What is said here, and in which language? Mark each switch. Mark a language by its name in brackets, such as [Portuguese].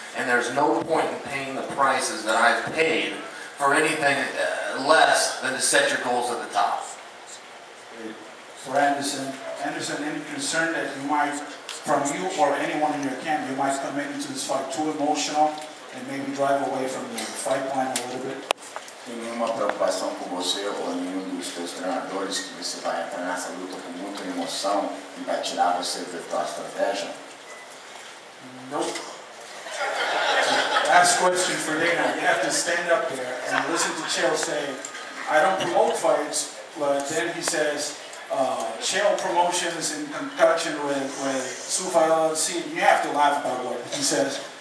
[English] And there's no point in paying the prices that I've paid for anything less than to set your goals at the top. For Anderson, any concern that you might, from you or anyone in your camp, you might come into this fight too emotional? And maybe drive away from the fight plan a little bit. [Portuguese] Tem nenhuma preocupação com você ou nenhum dos seus treinadores que você vai entrar nessa luta com muita emoção e vai tirar você da sua estratégia? [English] Nope. Last question for Dana. You have to stand up here and listen to Chael say, I don't promote fights, but then he says, Chael Promotions in conjunction with Sufi LLC, you have to laugh about what he says.